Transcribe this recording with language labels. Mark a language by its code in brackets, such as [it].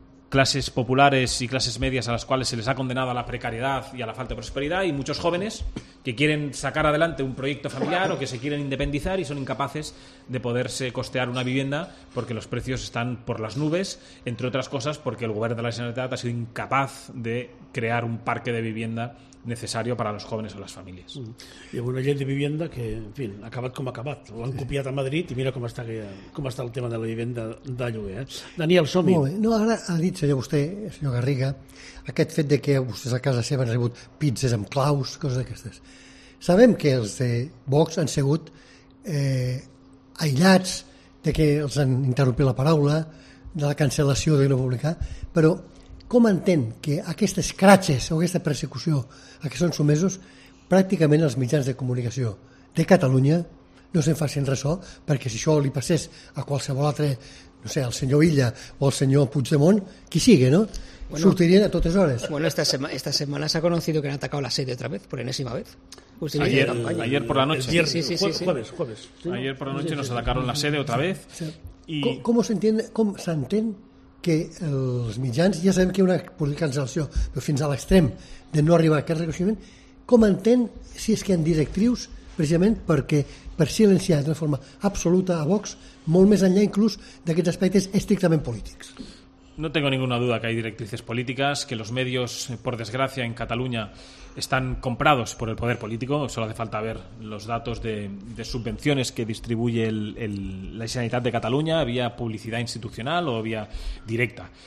[es] clases populares y clases medias a las cuales se les ha condenado a la precariedad y a la falta de prosperidad, y muchos jóvenes que quieren sacar adelante un proyecto familiar o que se quieren independizar y son incapaces de poderse costear una vivienda porque los precios están por las nubes, entre otras cosas porque el gobierno de la Generalitat ha sido incapaz de crear un parque de vivienda necessari per als joves o les famílies. [ca] Hi ha una llei de vivienda que, en fi, ha acabat com ha acabat. L'han copiat a Madrid i mira com està el tema de la vivienda de lloguer. Daniel, som-hi. Molt bé. No, ara ha dit, senyor, vostè, senyor Garriga, aquest fet de que vostès a casa seva han rebut pizzas amb claus, coses d'aquestes. Sabem que els de Vox han sigut aïllats de que els han interrompit la paraula, de la cancel·lació de Grup Republicà, però com entén que aquestes cratxes o aquesta persecució a què són sumesos pràcticament els mitjans de comunicació de Catalunya no se'n facin ressò, perquè si això li passés a qualsevol altre, no sé, al senyor Illa o al senyor Puigdemont, qui sigui, no? Bueno, sortirien a totes hores. [es] Bueno, esta semana se ha conocido que han atacado la sede otra vez, por enésima vez. Ayer por la noche. Jueves. Ayer por la noche nos atacaron la sede otra vez. Sí. Y... [ca] ¿Cómo se entén que els mitjans, ja sabem que hi ha una política cancel·lació, però fins a l'extrem de no arribar a aquest reconeixement, com entén si és que hi ha directrius precisament perquè per silenciar d'una forma absoluta a Vox, molt més enllà inclús d'aquests aspectes estrictament polítics? [es] No tengo ninguna duda que hay directrices políticas, que los medios, por desgracia, en Cataluña están comprados por el poder político. Solo hace falta ver los datos de subvenciones que distribuye la Generalitat de Cataluña vía publicidad institucional o vía directa.